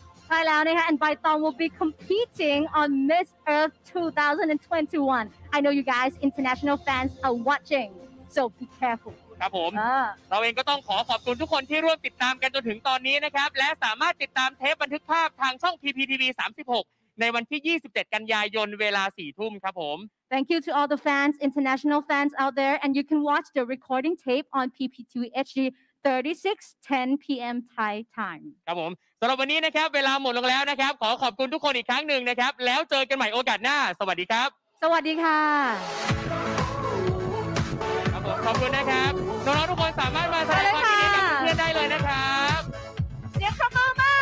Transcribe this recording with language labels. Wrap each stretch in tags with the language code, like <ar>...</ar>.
<th>ใช่แล้วนะคะ</th> <en>and by Tom will be competing on Miss Earth 2021 I know you guys international fans are watching so be careful</en> <th>ครับผมเราเองก็ต้องขอขอบคุณทุกคนที่ร่วมติดตามกันจนถึงตอนนี้นะครับและสามารถติดตามเทปบันทึกภาพทางช่อง PPTV 36ในวันที่27กันยายนเวลา 4 ทุ่มครับผม</th> <en>Thank you to all the fans, international fans out there and you can watch the recording tape on PP2HD 36 10 p.m. Thai time</en> <th>ครับผมสำหรับวันนี้นะครับเวลาหมดลงแล้วนะครับขอขอบคุณทุกคนอีกครั้งหนึ่งนะครับแล้วเจอกันใหม่โอกาสหน้าสวัสดีครับ สวัสดีค่ะ ครับ ผมขอบคุณนะครับน้องๆทุกคนสามารถมาแสดงความยินดีกับเพื่อนได้เลยนะครับ เสียงครบมาก</th>